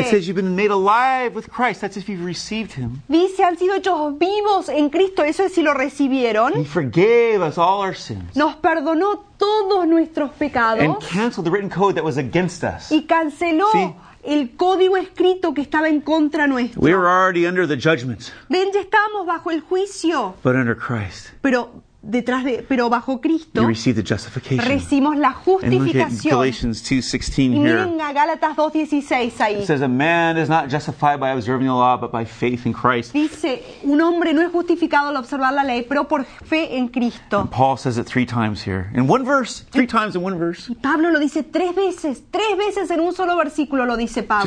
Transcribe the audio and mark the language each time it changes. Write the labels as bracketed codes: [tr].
[en] It says you've been made alive with Christ. That's if you've received him. [es] Dice, han sido hechos vivos en Cristo. Eso es si lo recibieron. [en] He forgave us all our sins. [es] Nos perdonó todos nuestros pecados. [en] And canceled the written code that was against us. [es] Y canceló. [en] See? [es] El código escrito que estaba en contra nuestro. [en] We were already under the judgment. [es] Ven, ya estábamos bajo el juicio. [en] But under Christ. [es] Pero bajo Cristo. [en] You receive the justification. [es] Recibimos la justificación. [en] And look at Galatians 2:16 here. [es] Y miren a Gálatas 2:16 ahí. [en] It says a man is not justified by observing the law, but by faith in Christ. [es] Dice, un hombre no es justificado al observar la ley, pero por fe en Cristo. [en] And Paul says it three times here. In one verse. Three times in one verse. [es] Y Pablo lo dice tres veces. Tres veces en un solo versículo lo dice Pablo.